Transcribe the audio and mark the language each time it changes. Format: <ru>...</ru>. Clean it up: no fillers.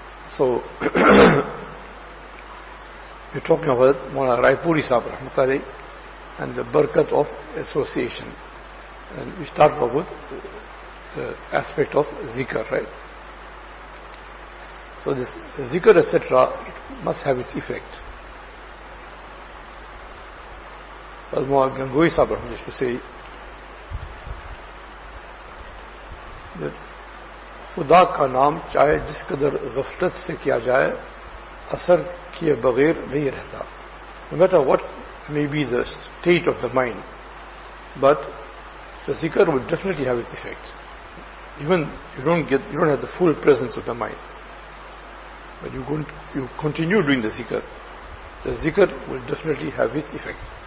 <en>So, you're talking about Maulana Raipuri Sahib Rahmatullahi and the barakat of association. And we start off with the aspect of zikr, right? So this zikr, etc., it must have its effect. But Maulana Gangohi Sahib Rahmatullahi used to say that</en> <ur>خدا کا نام چاہے جس قدر غفلت سے کیا جائے اثر کیے بغیر نہیں رہتا.</ur> <en>No matter what may be the state of the mind, but the zikr will definitely have its effect. Even you don't have the full presence of the mind, but you continue doing the zikr will definitely have its effect.</en>